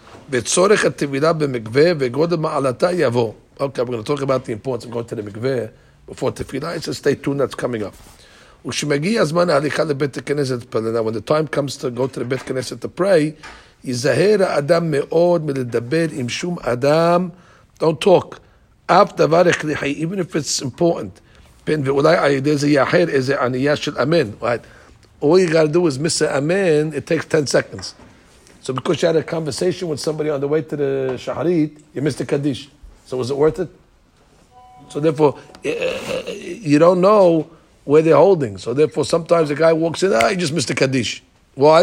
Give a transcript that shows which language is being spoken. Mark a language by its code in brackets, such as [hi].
[he] וצורך התבילה במקווה וגודל מעלתה יבוא. [en] Okay, we're going to talk about the importance of going to the מקווה before תפילה. It's a stay tuned that's coming up. [he] וכשמגיע הזמן ההליכה לבית הכנסת, [en] when the time comes to go to the בית הכנסת to pray, [he] יזהר האדם מאוד מלדבר עם שום אדם. [en] Don't talk. [he] אף דבר הכרחי, [en] even if it's important. [he] ואולי על ידי זה יאחר איזה ענייה של אמן. [en] Right? All you got to do is miss an amen, it takes 10 seconds. So because you had a conversation with somebody on the way to the Shaharit, you missed the Kaddish. So was it worth it? So therefore, you don't know where they're holding. So therefore, sometimes a guy walks in, you just missed the Kaddish. Why?